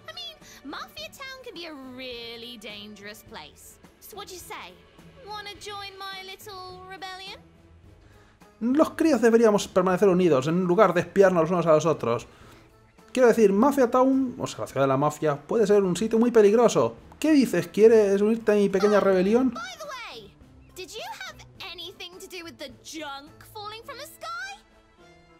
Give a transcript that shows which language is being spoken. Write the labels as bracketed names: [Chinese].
[English] I mean, Mafia Town can be a really dangerous place. So what do you say? Wanna join my little rebellion? [Spanish] Los críos deberíamos permanecer unidos en lugar de espiarnos los unos a los otros. Quiero decir, Mafia Town, o sea, la ciudad de la mafia, puede ser un sitio muy peligroso. ¿Qué dices? ¿Quieres unirte a mi pequeña rebelión? [English] By the way, did you have anything to do with the junk falling from the sky?